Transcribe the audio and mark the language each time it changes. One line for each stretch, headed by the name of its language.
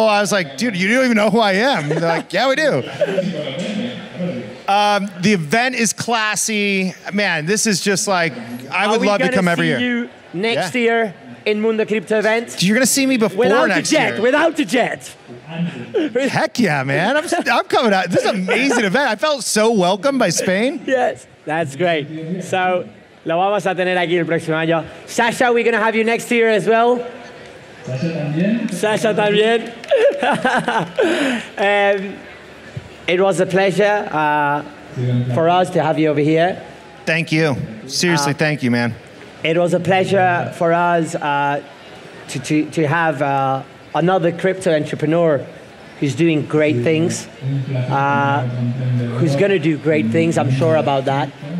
English: I was like, dude, you don't even know who I am. They're like, yeah, we do. The event is classy. Man, this is just like, I would love to come every year. Are we going to see you next year? In Mundo Crypto event. You're gonna see me before without next a jet, year. Without a jet. Heck yeah, man. I'm coming out. This is an amazing event. I felt so welcomed by Spain. Yes, that's great.
Spanish: So, lo vamos a tener aquí el próximo año.
English: Sasha, we're gonna have you next year as well.
Spanish: Sasha también. Sasha también.
English: It was a pleasure for us to have you over here. Thank you. Seriously, thank you, man. It was a pleasure for us to have another crypto entrepreneur who's doing great things, who's going to do great things, I'm sure about that.